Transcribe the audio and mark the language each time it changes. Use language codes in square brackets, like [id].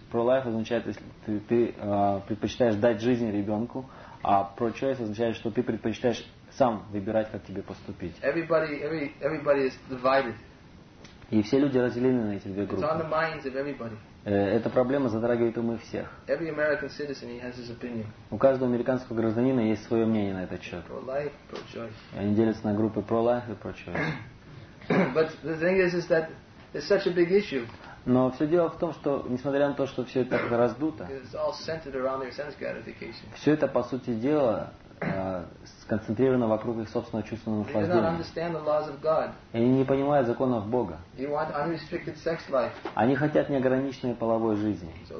[ru] Pro-life означает, если ты предпочитаешь дать жизнь ребенку, а pro-choice означает, что ты предпочитаешь сам выбирать, как тебе поступить. [en] Everybody is divided. [ru] И все люди разделены на эти две группы. [en] It's on the minds of everybody. [ru] Эта проблема затрагивает умы всех. [en] Every American citizen, he has his opinion. [ru] У каждого американского гражданина есть свое мнение на этот счет. [en] Pro-life, pro-choice. [ru] Они делятся на группы pro-life и pro-choice. [en] But the thing is that it's such a big issue. [ru] Но все дело в том, что несмотря на то, что все это раздуто, [en] it's all centered around their sense gratification. [ru] Все это, по сути дела, сконцентрировано вокруг их собственного чувственного наслаждения. Они не понимают законов Бога. [en] You want unrestricted sex life. [ru] Они хотят неограниченной половой жизни.